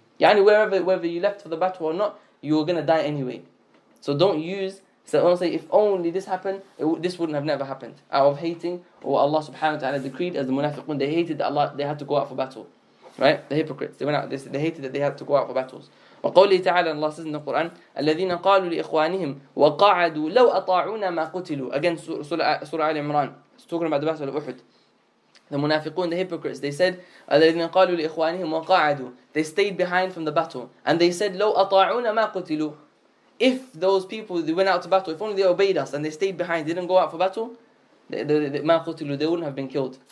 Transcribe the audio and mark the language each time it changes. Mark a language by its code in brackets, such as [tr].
[en] Yani wherever you left for the battle or not, you were going to die anyway. So don't use, so don't say, if only this happened, this wouldn't have never happened. Out of hating, or Allah subhanahu wa ta'ala decreed as the munafiqun, they hated that Allah, they had to go out for battle. Right? The hypocrites, they went out, they hated that they had to go out for battles. [ar] وقوله تعالى الله [en] says in the Quran [ar] الذين قالوا لإخوانهم وقعدوا لو أطاعونا ما قتلوا. [en] Again Surah Al Imran, it's talking about the battle of Uhud. The munafiqun, the hypocrites, they said [ar] الذين قالوا لإخوانهم وقعدوا, [en] they stayed behind from the battle and they said [ar] لو أطاعونا ما قتلوا. [en] If those people, they went out to battle, if only they obeyed us and they stayed behind, they didn't go out for battle, [ar] ما قتلوا, [en] they wouldn't have been killed.